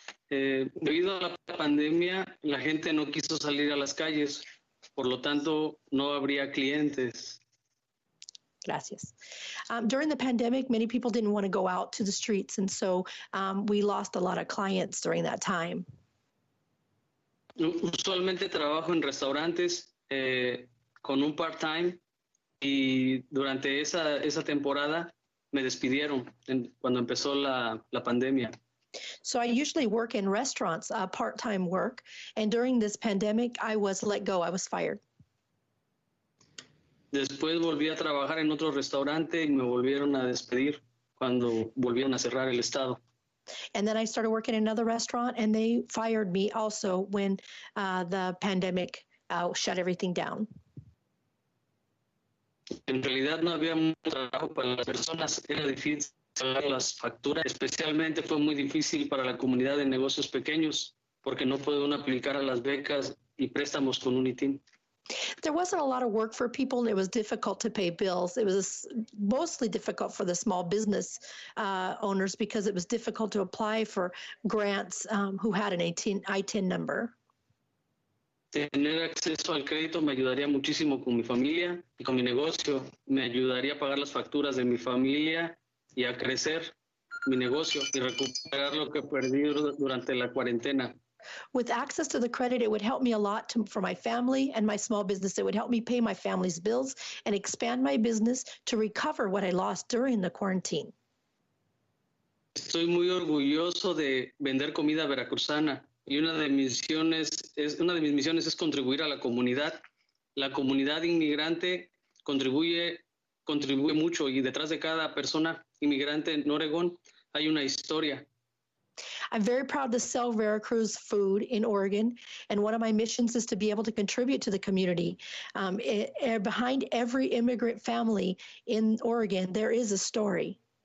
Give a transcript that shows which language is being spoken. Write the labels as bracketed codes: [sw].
[es] Debido a la pandemia, la gente no quiso salir a las calles. Por lo tanto, no habría clientes. Gracias. [en] During the pandemic, many people didn't want to go out to the streets, and so we lost a lot of clients during that time. [es] Usualmente trabajo en restaurantes con un part-time y durante esa temporada me despidieron cuando empezó la pandemia. [en] So I usually work in restaurants, part-time work, and during this pandemic I was let go, I was fired. [es] Después volví a trabajar en otro restaurante y me volvieron a despedir cuando volvieron a cerrar el estado. [en] And then I started working in another restaurant, and they fired me also when the pandemic shut everything down. [es] En realidad no había mucho trabajo para las personas. Era difícil pagar las facturas. Especialmente fue muy difícil para la comunidad de negocios pequeños porque no pueden aplicar a las becas y préstamos con UNITIN. [en] There wasn't a lot of work for people, and it was difficult to pay bills. It was mostly difficult for the small business owners because it was difficult to apply for grants who had an I-10 number. [es] Tener acceso al crédito me ayudaría muchísimo con mi familia y con mi negocio. Me ayudaría a pagar las facturas de mi familia y a crecer mi negocio y recuperar lo que perdí durante la cuarentena. [en] With access to the credit, it would help me a lot for my family and my small business. It would help me pay my family's bills and expand my business to recover what I lost during the quarantine. [es] Estoy muy orgulloso de vender comida veracruzana. Y una de mis misiones es contribuir a la comunidad. La comunidad inmigrante contribuye mucho. Y detrás de cada persona inmigrante en Oregón hay una historia. [en] I'm very proud to sell Veracruz food in Oregon, and one of my missions is to be able to contribute to the community. Behind every immigrant family in Oregon, there is a story.